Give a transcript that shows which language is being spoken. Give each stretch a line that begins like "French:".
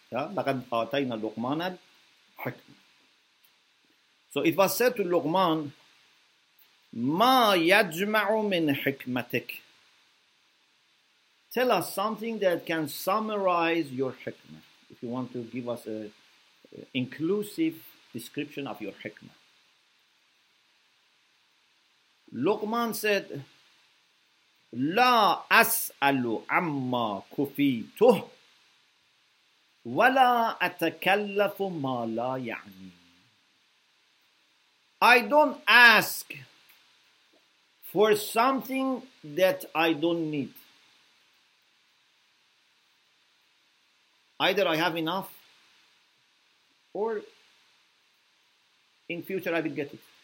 Arabic: لَقَدْ آتَيْنَا لُقْمَانَ الْحِكْمَةِ.
English: So it was said to Luqman,
Arabic: مَا يَجْمَعُ مِنْ حِكْمَتِكَ.
English: Tell us something that can summarize your hikmah. If you want to give us an inclusive description of your hikmah. Luqman said,
Arabic: لا أسأل عما كفيته ولا أتكلف ما لا يعني.
English: I don't ask for something that I don't need. Either I have enough or in future I will get it.